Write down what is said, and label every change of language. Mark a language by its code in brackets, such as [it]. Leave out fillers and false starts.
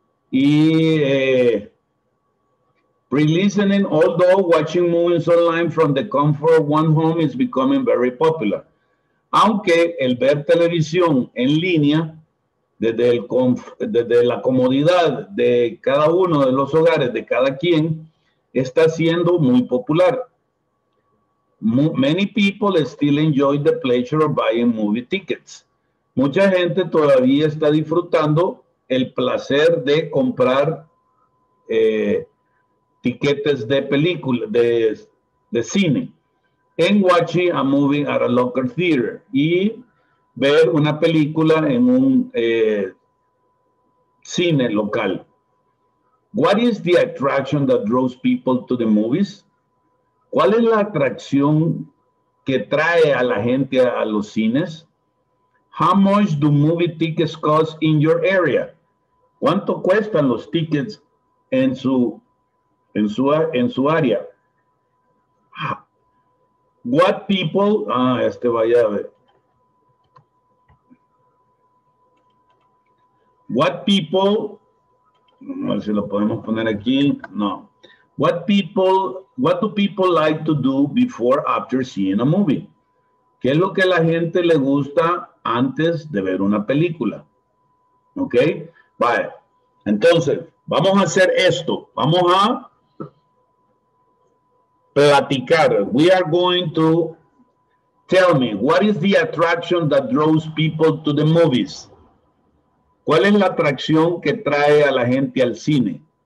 [en] Y pre-listening, although watching movies online from the comfort of one home is becoming very popular. [es] Aunque el ver televisión en línea desde la comodidad de cada uno de los hogares, de cada quien, está siendo muy popular. [en] Many people still enjoy the pleasure of buying movie tickets. [es] Mucha gente todavía está disfrutando el placer de comprar tiquetes de película, de cine, en [en] watching a movie at a local theater, [es] y ver una película en un cine local. [en] What is the attraction that draws people to the movies? [es] ¿Cuál es la atracción que trae a la gente a los cines? [en] How much do movie tickets cost in your area? [es] ¿Cuánto cuestan los tickets en su área? [en] What people, [es] vaya a ver. [en] What people, [es] a ver si lo podemos poner aquí, no. [en] What do people like to do before, after seeing a movie? [es] ¿Qué es lo que la gente le gusta antes de ver una película? ¿Ok? Vale. Entonces, vamos a hacer esto. Vamos a platicar. [en] We are going to tell me, what is the attraction that draws people to the movies? [es] ¿Cuál es la atracción que trae a la gente al cine?